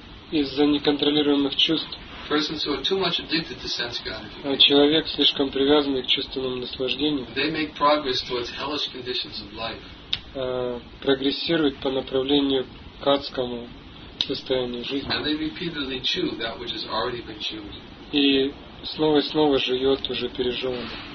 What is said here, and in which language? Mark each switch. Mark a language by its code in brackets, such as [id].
[ru] из-за неконтролируемых чувств, Человек слишком привязанный к чувственному наслаждению. [en] They make progress towards hellish conditions of life. [ru] Прогрессирует по направлению к адскому состоянию жизни. [en] And they repeatedly chew that which has already been chewed. [ru] И снова и снова жует уже пережеванное.